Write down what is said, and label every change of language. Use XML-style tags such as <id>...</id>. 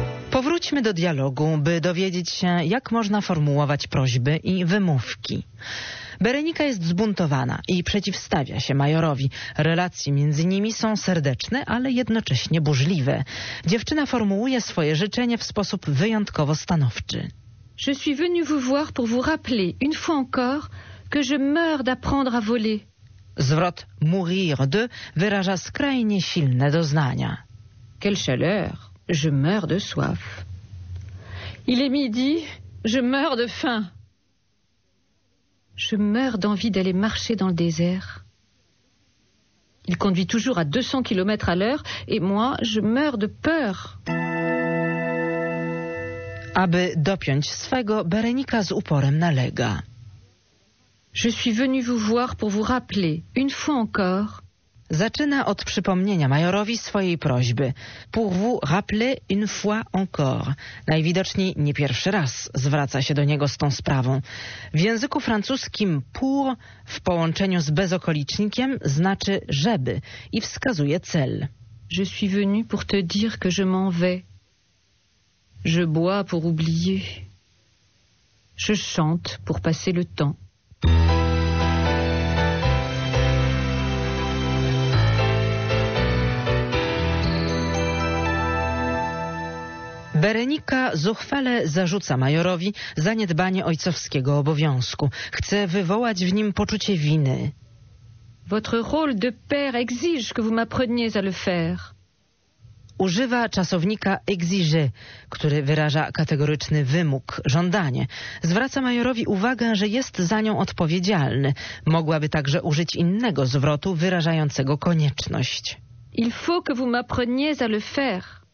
<pl>Powróćmy do dialogu, by dowiedzieć się, jak można formułować prośby i wymówki. Berenika jest zbuntowana i przeciwstawia się majorowi. Relacje między nimi są serdeczne, ale jednocześnie burzliwe. Dziewczyna formułuje swoje życzenie w sposób wyjątkowo stanowczy.</pl> <fr>Je suis venue vous voir pour vous rappeler, une fois encore, que je meurs d'apprendre à voler.</fr> <pl>Zwrot</pl> <fr>mourir de</fr> <pl>wyraża skrajnie silne doznania.</pl> <fr>Quelle chaleur! Je meurs de soif. Il est midi, je meurs de faim. Je meurs d'envie d'aller marcher dans le désert. Il conduit toujours à 200 km à l'heure et moi, je meurs de peur.</fr> <pl>Aby dopiąć swego, Berenika z uporem nalega.</pl> <fr>Je suis venu vous voir pour vous rappeler, une fois encore.</fr> <pl>Zaczyna od przypomnienia majorowi swojej prośby.</pl> <fr>Pour vous rappeler une fois encore.</fr> <pl>Najwidoczniej nie pierwszy raz zwraca się do niego z tą sprawą. W języku francuskim pour w połączeniu z bezokolicznikiem znaczy żeby i wskazuje cel.</pl> <fr>Je suis venu pour te dire que je m'en vais. Je bois pour oublier. Je chante pour passer le temps.</fr> <pl>Berenika zuchwale zarzuca majorowi zaniedbanie ojcowskiego obowiązku. Chce wywołać w nim poczucie winy.</pl> <fr>Votre rôle de père exige que vous m'appreniez à le faire.</fr> <pl>Używa czasownika exige, który wyraża kategoryczny wymóg, żądanie. Zwraca majorowi uwagę, że jest za nią odpowiedzialny. Mogłaby także użyć innego zwrotu wyrażającego konieczność.</pl> <fr>Il faut que vous m'appreniez à le faire.</fr>